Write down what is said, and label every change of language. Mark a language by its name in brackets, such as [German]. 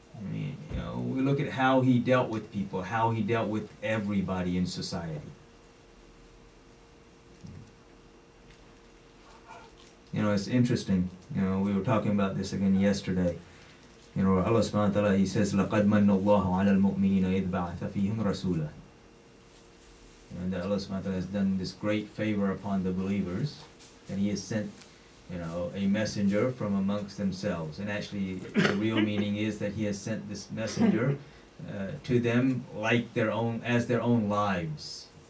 [English] We look at how he dealt with people, how he dealt with everybody in society. You know, it's interesting. You know, we were talking about this again yesterday. You know, Allah subhanahu wa ta'ala, he says, [Arabic] لَقَدْ مَنَّ اللَّهُ عَلَى الْمُؤْمِنِينَ إِذْ بَعَثَ فِيهِمْ رَسُولًا. [English] And that Allah subhanahu wa ta'ala has done this great favor upon the believers, and he has sent, you know, a messenger from amongst themselves. And actually, the real meaning is that he has sent this messenger to them like their own, as their own lives.